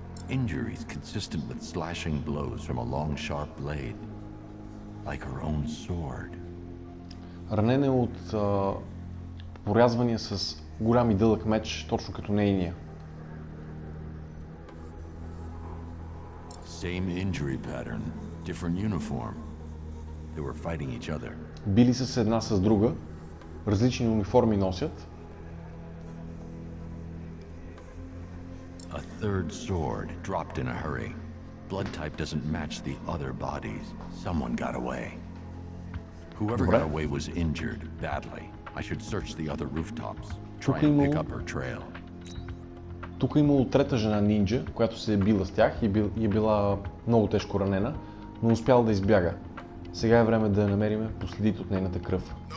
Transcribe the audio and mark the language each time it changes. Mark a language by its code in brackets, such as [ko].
[en] Injuries consistent with slashing blows from a long sharp blade, like her own sword. [bg] Ранена е от порязвания с голям и дълъг меч, точно като нейния. [en] Same injury pattern, different uniform. They were fighting each other. [bg] Били са се една с друга, различни униформи носят. [en] A third sword dropped in a hurry. Blood type doesn't match the other bodies. Someone got away. Whoever got away was injured badly. I should search the other rooftops. Try and pick up her trail. [bg] Тук е имало трета жена нинджа, която се е била с тях и е била много тежко ранена, но успяла да избяга. Сега е време да намерим последите от нейната кръв.